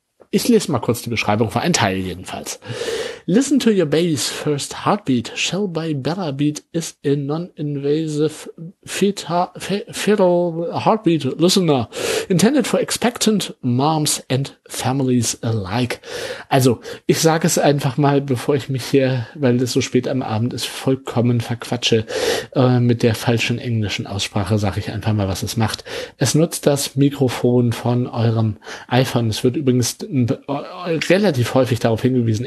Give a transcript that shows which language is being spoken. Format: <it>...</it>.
<de>Ich lese mal kurz die Beschreibung vor, ein Teil jedenfalls.</de> <en>Listen to your baby's first heartbeat. Shell by Bella Beat is a non-invasive fetal heartbeat listener intended for expectant moms and families alike.</en> <de>Also, ich sage es einfach mal, bevor ich mich hier, weil es so spät am Abend ist, vollkommen verquatsche mit der falschen englischen Aussprache, sage ich einfach mal, was es macht. Es nutzt das Mikrofon von eurem iPhone. Es wird übrigens relativ häufig darauf hingewiesen.</de>